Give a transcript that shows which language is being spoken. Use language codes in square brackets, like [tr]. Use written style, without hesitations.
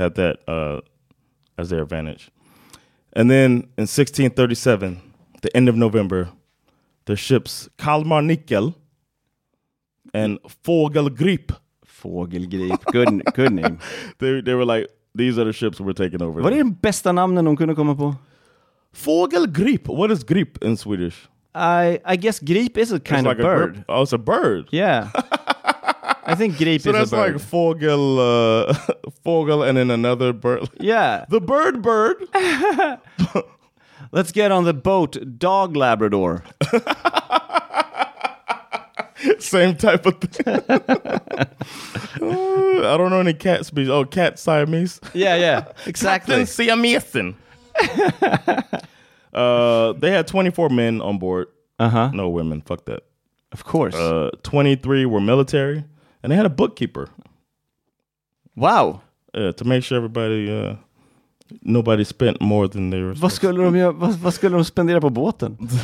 [en] had that as their advantage. And then in 1637, the end of November, the ships Kalmar Nickel and Fågelgrip. Good name. They were like, these are the ships we're taking over. [sv] Vad är den bästa namnen de kunde komma på? [en] Fågelgrip. What is grip in Swedish? I guess grip is a kind like of bird. Oh, it's a bird. Yeah. I think grip so is a bird. So that's like fågel, fågel and then another bird. Yeah. The bird. Let's get on the boat, dog Labrador. Same type of thing. I don't know any cat species. Oh, cat Siamese. Yeah, yeah. Exactly. Captain Siamese. they had 24 men on board. Uh-huh. No women. Fuck that. Of course. 23 were military. And they had a bookkeeper. Wow. To make sure everybody, nobody spent more than they were. [sv] Vad skulle de spendera på båten?